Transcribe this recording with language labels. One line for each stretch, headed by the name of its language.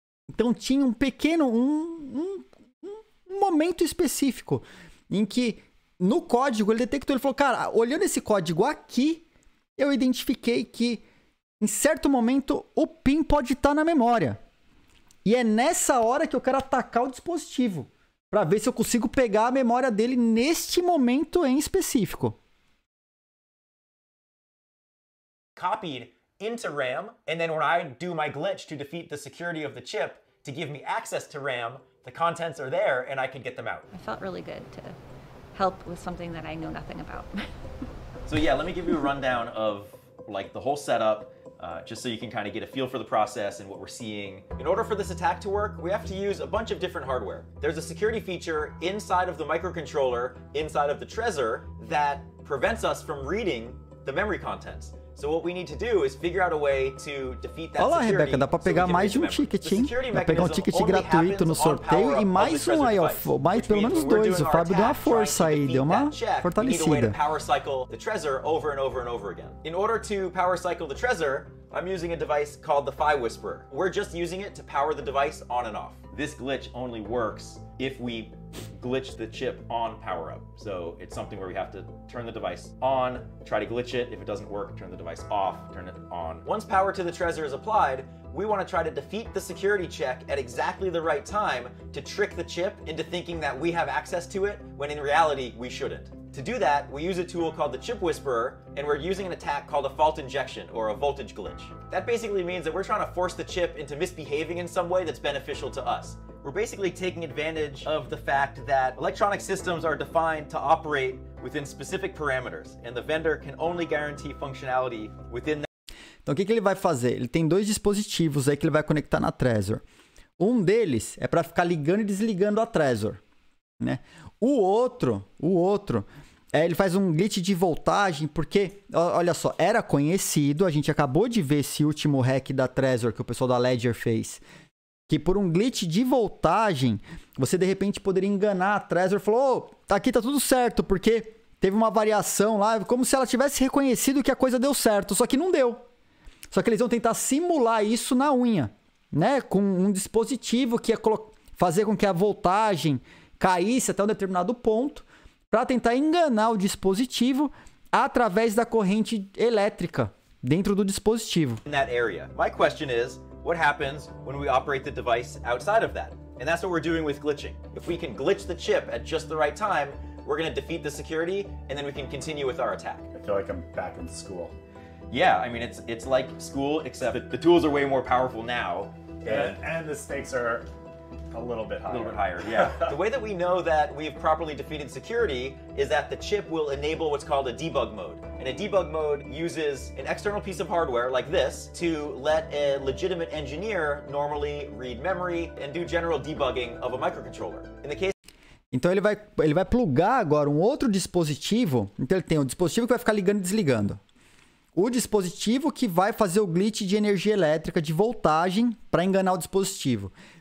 Portuguese: Então tinha um pequeno, um momento específico em que no código ele detectou, ele falou, cara, olhando esse código aqui, eu identifiquei que em certo momento o PIN pode estar na memória. E é nessa hora que eu quero atacar o dispositivo para ver se eu consigo pegar a memória dele neste momento em específico.
English: Copied into RAM, and then when I do my glitch to defeat the security of the chip to give me access to RAM, the contents are there and I can get them out. I felt really good to help with something that I know nothing about. So yeah, let me give you a rundown of like the whole setup, just so you can kind of get a feel for the process and what we're seeing. In order for this attack to work, we have to use a bunch of different hardware. There's a security feature inside of the microcontroller, inside of the Trezor, that prevents us from reading the memory contents. So what we need to do is figure out a way to defeat that security.
Portuguese: Olha, Rebeca, dá pra pegar
English: so
Portuguese: mais de um ticket, hein? Dá pra pegar um ticket gratuito no sorteio e mais um aí, mais pelo menos dois. O Fábio deu uma força aí, deu uma fortalecida.
English: Power cycle the Trezor over and over and over again. In order to power cycle the Trezor, I'm using a device called the Phi Whisperer. We're just using it to power the device on and off. This glitch only works if we glitch the chip on power up. So it's something where we have to turn the device on, try to glitch it. If it doesn't work, turn the device off, turn it on. Once power to the Trezor is applied, we want to try to defeat the security check at exactly the right time to trick the chip into thinking that we have access to it when in reality we shouldn't. To do that, we use a tool called the Chip Whisperer, and we're using an attack called a fault injection, or a voltage glitch. That basically means that we're trying to force the chip into misbehaving in some way that's beneficial to us. We're basically taking advantage of the fact that electronic systems are defined to operate within specific parameters, and the vendor can only guarantee functionality within that.
Portuguese: Então, o que ele vai fazer? Ele tem dois dispositivos aí que ele vai conectar na Trezor. Um deles é para ficar ligando e desligando a Trezor, né? O outro, ele faz um glitch de voltagem, porque, olha só, era conhecido, a gente acabou de ver esse último hack da Trezor que o pessoal da Ledger fez, que por um glitch de voltagem, você de repente poderia enganar a Trezor, falou, oh, aqui tá tudo certo, porque teve uma variação lá, como se ela tivesse reconhecido que a coisa deu certo, só que não deu. Só que eles vão tentar simular isso na unha, né, com um dispositivo que ia fazer com que a voltagem caísse até um determinado ponto para tentar enganar o dispositivo através da corrente elétrica dentro do dispositivo.
English: In that area. My question is, what happens when we operate the device outside of that? And that's what we're doing with glitching. If we can glitch the chip at just the right time, we're going to defeat the security and then we can continue with our attack. I feel like I'm back in school. Yeah, I mean it's like school except the tools are way more powerful now and the stakes are a little bit higher. A little bit higher, yeah. The way that we know that we've properly defeated security is that the chip will enable what's called a debug mode. And a debug mode uses an external piece of hardware like this to let a legitimate engineer normally read memory and do general debugging of a microcontroller. In the case.
Portuguese: Então ele vai plugar agora um outro dispositivo. Então ele tem um dispositivo que vai ficar ligando e desligando. O dispositivo que vai fazer o glitch de energia elétrica, de voltagem, para enganar o dispositivo.